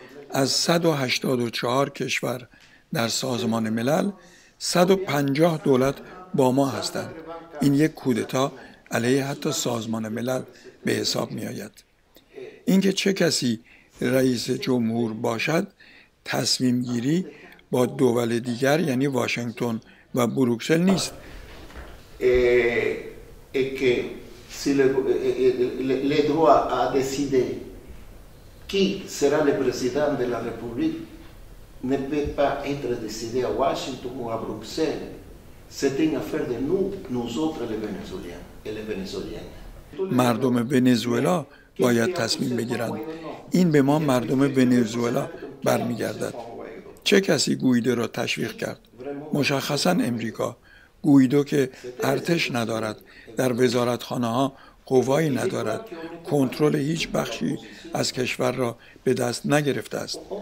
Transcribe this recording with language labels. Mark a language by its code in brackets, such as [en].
[fa] از 184 کشور در سازمان ملل 150 دولت با ما هستند. این یک کودتا علیه حتی سازمان ملل به حساب می آید. اینکه چه کسی رئیس جمهور باشد، تصمیم گیری با دول دیگر یعنی واشنگتن و بروکسل نیست. [fr] et que si les droits à décider qui sera le président de la République ne peut pas être décidé à Washington ou à Bruxelles. C'est une affaire de nous autres les Vénézuéliens et les Vénézuéliennes. [fa] مردم ونزوئلا باید تصمیم بگیرند. این به ما مردم ونزوئلا برمیگردد. چه کسی گویدو را تشویق کرد؟ مشخصا امریکا. گویدو که ارتش ندارد، در وزارتخانه ها قوایی ندارد، کنترل هیچ بخشی از کشور را به دست نگرفته است.